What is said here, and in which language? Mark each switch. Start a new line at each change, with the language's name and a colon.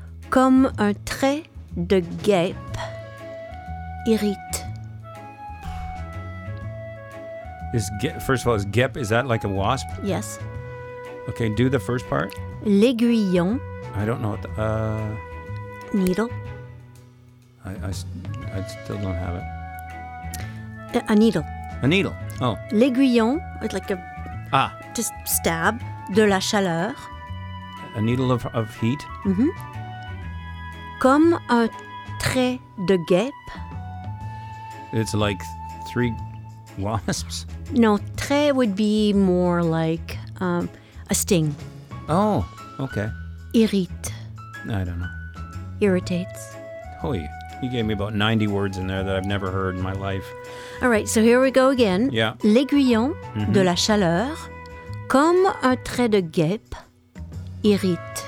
French: Comme un trait de guêpe irrite.
English: Is guêpe, is that like a wasp? Yes. Okay, do the first part.
French: L'aiguillon.
English: I don't know what the... Needle. I still don't have it. A needle. A needle. Oh.
French: L'aiguillon,
English: like a... Ah. To stab.
French: De la chaleur.
English: A needle of heat.
French: Mm-hmm. Comme un trait de guêpe.
English: It's like three wasps? No, trait would be more like a sting. Oh, okay.
French: Irrite.
English: I don't know. Irritates. Hoi. You gave me about 90 words in there that I've never heard in my life. All right, so here we go again. Yeah.
French: L'aiguillon mm-hmm. de la chaleur, comme un trait de guêpe, irrite.